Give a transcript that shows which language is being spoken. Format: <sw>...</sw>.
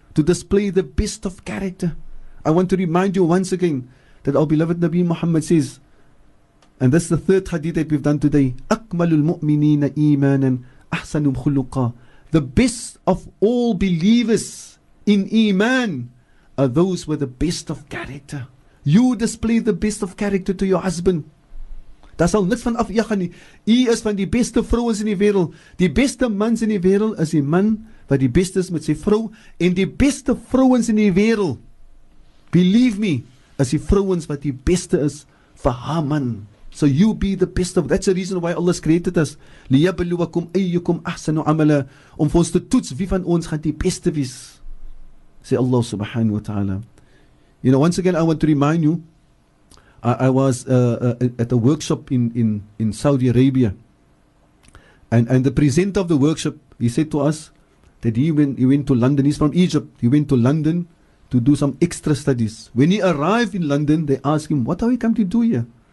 <en>To display the best of character. I want to remind you once again that our beloved Nabi Muhammad says, and this is the third hadith that we've done today,</en> <ar>أَكْمَلُ الْمُؤْمِنِينَ إِيمَانًا أَحْسَنُمْ خُلُقًا.</ar> <en>The best of all believers in Iman are those with the best of character. You display the best of character to your husband.</en> <af>Daar sal niks van af jy gaan nie. Jy is van die beste vrouens in die wêreld. Die beste mans in die wêreld is die man wat die beste is met sy vrou. En die beste vrouens in die wêreld,</af> <en>believe me,</en> <af>is die vrouens wat die beste is vir haar man.</af> <en>So you be the best of. That's the reason why Allah created us.</en> <ar>لِيَبْلُوَكُمْ أَيُّكُمْ أَحْسَنُ عَمَلًا.</ar> <af>Om vir ons te toets wie van ons gaan die beste wees. Sê Allah</af> <ar>subhanahu wa ta'ala.</ar> <en>You know, once again, I want to remind you, I was at a workshop in Saudi Arabia, and the presenter of the workshop, he said to us that he went to London. He's from Egypt. He went to London to do some extra studies. When he arrived in London, they asked him, what are you come to do here?</en>